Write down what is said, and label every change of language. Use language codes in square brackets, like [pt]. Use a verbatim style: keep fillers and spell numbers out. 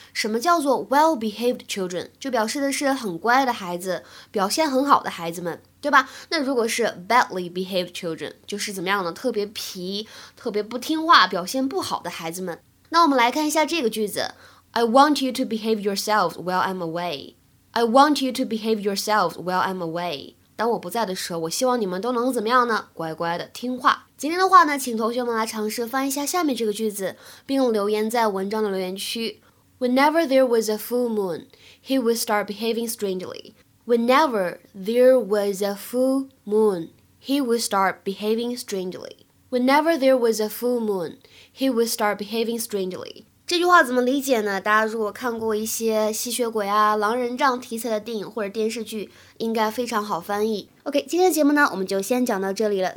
[zh] 什么叫做 well-behaved children？就表示的是很乖的孩子，表现很好的孩子们，对吧？那如果是 badly behaved children， 就是怎么样呢？特别皮，特别不听话，表现不好的孩子们。那我们来看一下这个句子 ： [en] I want you to behave yourselves while I'm away. I want you to behave yourselves while I'm away. [zh] 当我不在的时候，我希望你们都能怎么样呢？乖乖的听话。今天的话呢，请同学们来尝试翻译一下下面这个句子，并留言在文章的留言区。 [en] Whenever there was a full moon, he would start behaving strangely. Whenever there was a full moon, he would start behaving strangely. Whenever there was a full moon, he would start behaving strangely. [zh] 这句话怎么理解呢？大家如果看过一些吸血鬼啊、狼人帐题材的电影或者电视剧，应该非常好翻译。 OK， 今天的节目呢，我们就先讲到这里了。